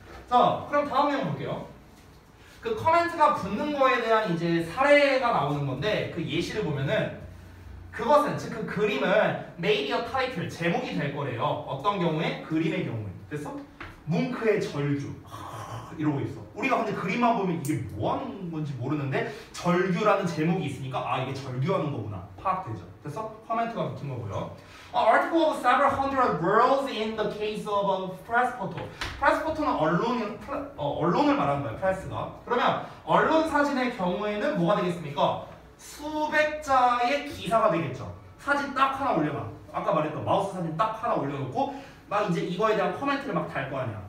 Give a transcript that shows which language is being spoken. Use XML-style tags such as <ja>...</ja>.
<ko>자 그럼 다음 내용 볼게요. 그 코멘트가 붙는 거에 대한 이제 사례가 나오는 건데 그 예시를 보면은 그것은 즉 그 그림은 메이디어 타이틀 제목이 될 거래요. 어떤 경우에? 그림의 경우에. 됐어? 뭉크의 절규 이러고 있어. 우리가 근데 그림만 보면 이게 뭐 하는 건지 모르는데 절규라는 제목이 있으니까 아 이게 절규하는 거구나 파악되죠. 됐어? 코멘트가 붙은 거고요.</ko> <en>Article of several hundred worlds in the case of a press photo.</en> <ko>Press photo는 언론을 말하는 거예요. 프레스가. 그러면 언론 사진의 경우에는 뭐가 되겠습니까? 수백자의 기사가 되겠죠. 사진 딱 하나 올려봐. 아까 말했던 마우스 사진 딱 하나 올려놓고 막 이제 이거에 대한 코멘트를 막 달 거 아니야.</ko>